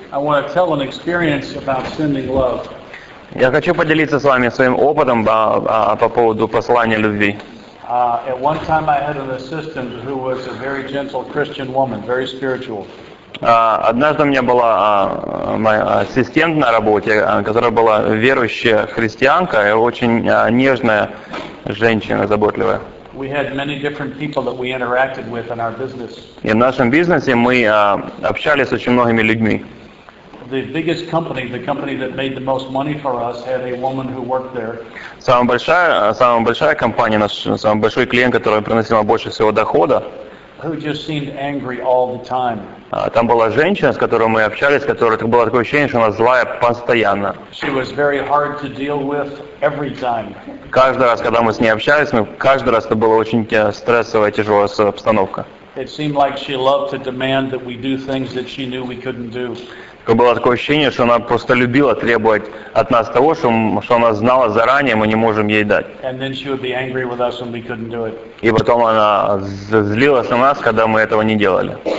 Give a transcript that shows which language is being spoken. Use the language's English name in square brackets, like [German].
[English] I want to tell an experience about sending love. [Russian] Я хочу поделиться с вами своим опытом по поводу послания любви. [English] At one time I had an assistant who was a very gentle Christian woman, very spiritual. [Russian] Однажды у меня была моя ассистент на работе, которая была верующая христианка и очень нежная женщина, заботливая. [English] We had many different people that we interacted with in our business. [Russian] И в нашем бизнесе мы общались с очень многими людьми. [English] The biggest company, the company that made the most money for us, had a woman who worked there. [Russian] Самая большая компания, наш самый большой клиент, который приносил нам больше всего дохода. [English] Who just seemed angry all the time. [Russian] Там была женщина, с которой мы общались, которая было такое ощущение, что она злая постоянно. [English] She was very hard to deal with every time. [Russian] Каждый раз, когда мы с ней общались, каждый раз это была очень стрессовая, тяжелая обстановка. [English] It seemed like she loved to demand that we do things that she knew we couldn't do. [Russian] Было такое ощущение, что она просто любила требовать от нас того, что она знала заранее, мы не можем ей дать. И потом она злилась на нас, когда мы этого не делали.